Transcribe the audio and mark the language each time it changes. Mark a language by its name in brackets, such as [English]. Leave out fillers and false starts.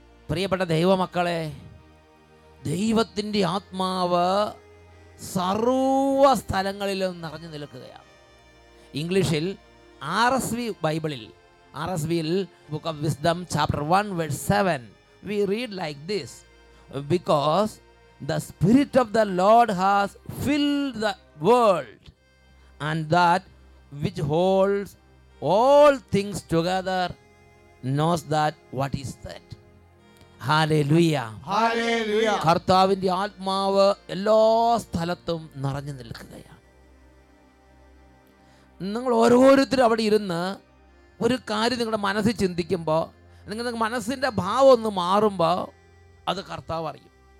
[Malayalam] പ്രിയപ്പെട്ട ദൈവമക്കളെ, ദൈവത്തിന്റെ ആത്മാവ് സർവ സ്ഥലങ്ങളിലും നിറഞ്ഞു നിൽക്കുകയാണ്. ഇംഗ്ലീഷിൽ RSV ബൈബിളിൽ [English] RSV Book of Wisdom chapter 1 verse 7 we read like this: because the Spirit of the Lord has filled the world, and that which holds all things together knows that what is that. Hallelujah. Hallelujah. [Malayalam] കർത്താവിൻ്റെ ആത്മാവ് എല്ലാ സ്ഥലത്തും നിറഞ്ഞു നിൽക്കുകയാണ്. നിങ്ങൾ ഓരോരുത്തരും അവിടെ ഇരുന്ന് ഒരു കാര്യം നിങ്ങളുടെ മനസ്സിൽ ചിന്തിക്കുമ്പോൾ, നിങ്ങളുടെ മനസ്സിൻ്റെ ഭാവം ഒന്ന് മാറുമ്പോൾ അത് കർത്താവ് അറിയും.